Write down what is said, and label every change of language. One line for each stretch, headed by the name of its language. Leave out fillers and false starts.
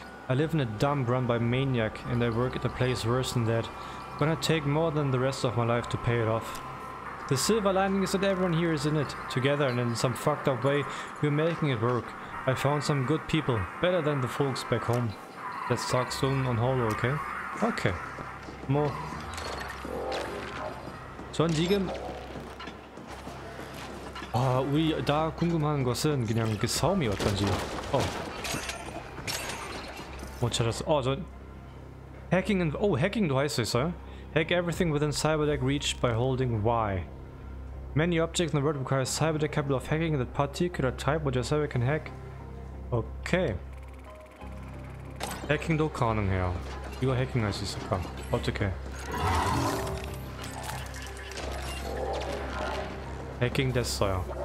English: I live in a dump run by maniac and I work at a place worse than that. Gonna take more than the rest of my life to pay it off. The silver lining is that everyone here is in it. Together and in some fucked up way, we're making it work. I found some good people, better than the folks back home. Let's talk soon on Holo, okay? Okay.
Korean: 뭐 전 지금 우리 다 궁금한 것은 그냥 그 싸움이 어떤지. 못 찾았어. 전 해킹은 해킹도 할 수 있어요.
English: Hack everything within CyberDeck reach by holding Y. Many objects in the world require CyberDeck capable of hacking that particular type, which your server can hack.
Korean: 오케이 okay. 해킹도 가능해요. 이거 해킹할 수 있을까? 어떻게 해킹 됐어요.